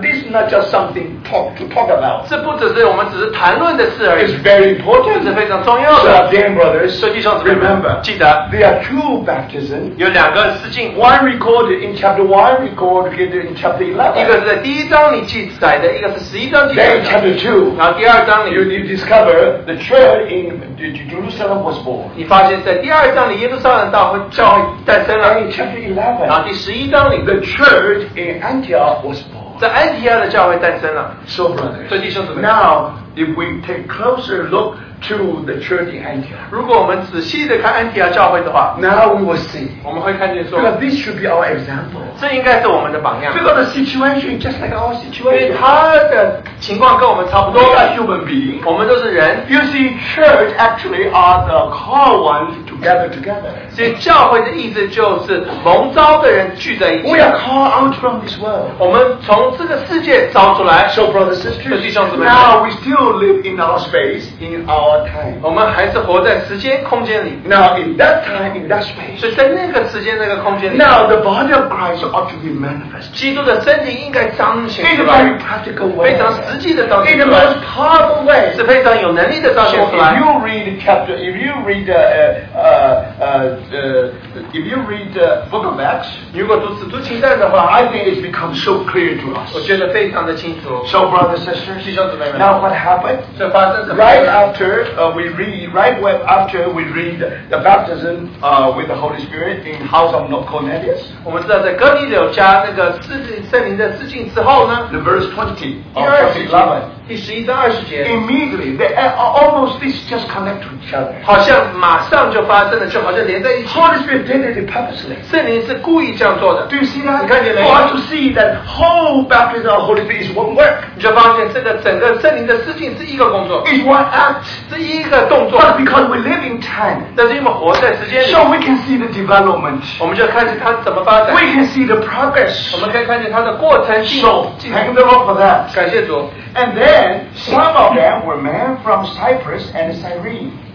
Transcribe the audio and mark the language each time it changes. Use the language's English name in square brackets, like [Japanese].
[English] This is not just something to talk about. [Chinese] 这不只是我们只是谈论的事而已。 [English] It's very important. [Chinese] 这是非常重要的。 [English] So dear brothers, [Chinese] 所以弟兄姊妹们, [English] remember, [Chinese] 记得, [English] there are two baptisms. [Chinese] 有两个事情, [English] one recorded in chapter 1, recorded in chapter 11. [Chinese] 一个是在第一章里记载的, 一个是十一章记载的。 [English] Then chapter 2. [Chinese] 然后第二章, [English] you discover the church in Jerusalem was born. [Chinese] 你发现在第二章里耶路撒冷大会教会诞生了。 [English] In chapter 11. [Chinese] 然后第十一章里, [English] the church in Antioch was born. [Chinese] 在安提阿的教会诞生了。 [English] So brothers, [Chinese] 所以弟兄姊妹, [English] now if we take closer look to the church in Antioch, [Chinese] 如果我们仔细地看安提阿教会的话, [English] now we will see, [Chinese] 我们会看见说, [English] because this should be our example, [Chinese] 这应该是我们的榜样, [English] because the situation just like our situation, [Chinese] 因为他的情况跟我们差不多, [English] we are human beings, [Chinese] 我们都是人, [English] you see church actually are the called ones to gather together, [Chinese] 所以教会的意思就是蒙召的人聚在一起, [English] we are called out from this world, [Chinese] 我们从这个世界召出来, [English] so brothers and sisters, [Chinese] 弟兄姊妹, [English] now we still live in our space, in our time. [Chinese] 我们还是活在时间空间里。 [English] Now in that time, in that space, [Chinese] 所以在那个时间那个空间里, [English] now the body of Christ ought to be manifest, [Chinese] 基督的身体应该彰显, [English] in a very practical way, [Chinese] 非常实际的彰显, [English] in the most powerful way, [Chinese] 是非常有能力的彰显出来。 [English] So if you read chapter, if you read if you read the book of Acts, [Chinese] 如果读使徒行传的话, [English] I think it's become so clear to us, [Chinese] 我觉得非常的清楚。 [English] So brothers and sisters, [Chinese] 弟兄姊妹们, [English] now what happened, [Chinese] 所以发生什么事呢? [English] Right after we read, right after we read the baptism with the Holy Spirit in the house of Cornelius, we know that in Cornelius' house, the Holy Spirit's baptism, the verse 20 of chapter 11. Immediately, almost this just connect to each other. [Chinese] 好像马上就发生了，就好像连在一起。 [English] Holy Spirit did it purposely. [Chinese] 圣灵是故意这样做的。 [English] Do you see that? [Chinese] 你看见没? [English] You want to see that whole baptism of Holy Spirit is one work. [Chinese] 你就发现这个整个圣灵的事情是一个工作。 [English] It's one act. [Chinese] 是一个动作。 [English] But because we live in time, [Chinese] 但是因为活在时间里, [English] so we can see the development. [Chinese] 我们就看见它怎么发展。 [English] We can see the progress. [Chinese] 我们可以看见它的过程性。 [English] So thank the Lord for that. [Chinese] 感谢主。 [English] And then some of them were men from Cyprus and Cyrene.